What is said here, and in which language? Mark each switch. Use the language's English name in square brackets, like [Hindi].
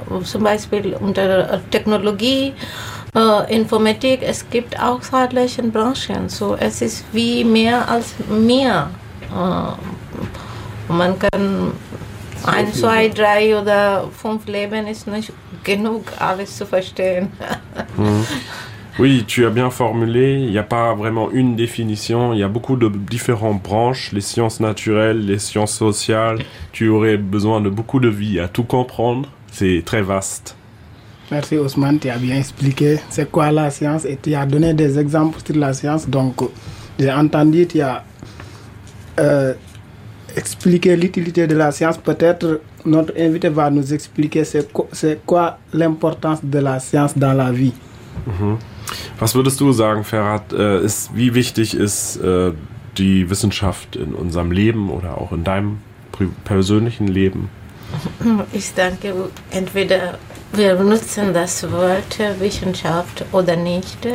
[German] Zum Beispiel unter Technologie, Informatik, es gibt auch zahlreiche Branchen. So, es ist wie mehr als mehr. Man kann 1, 2, 3 oder 5 leben, ist nicht genug, alles zu verstehen. [French] Oui, tu as bien formulé, il n'y a pas vraiment une définition, il y a beaucoup de différentes branches, les sciences naturelles, les sciences sociales, tu aurais besoin de beaucoup de vie à tout comprendre, c'est très vaste. Merci Ousmane, tu as bien expliqué c'est quoi la science et tu as donné des exemples sur la science, donc j'ai entendu, tu as expliqué l'utilité de la science, peut-être notre invité va nous expliquer c'est quoi l'importance de la science dans la vie. [German] Was würdest du sagen, Ferhat, wie wichtig ist die Wissenschaft in unserem Leben oder auch in deinem persönlichen Leben? Ich denke, entweder wir nutzen das Wort Wissenschaft oder nicht.